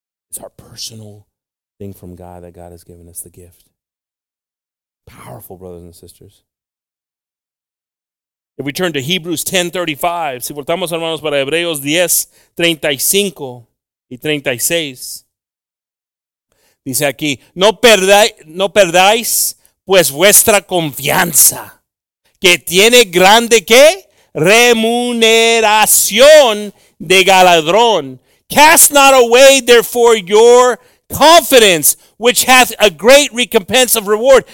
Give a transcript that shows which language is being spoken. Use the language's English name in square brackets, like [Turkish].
[English] It's our personal thing from God that God has given us the gift. Powerful, brothers and sisters. If we turn to Hebrews 10:35, [Spanish] si voltamos, hermanos, para Hebreos 10:35 y 36, dice aquí, no perdáis pues vuestra confianza, que tiene grande qué remuneración de galardón. [English] Cast not away therefore your confidence, which hath a great recompense of reward.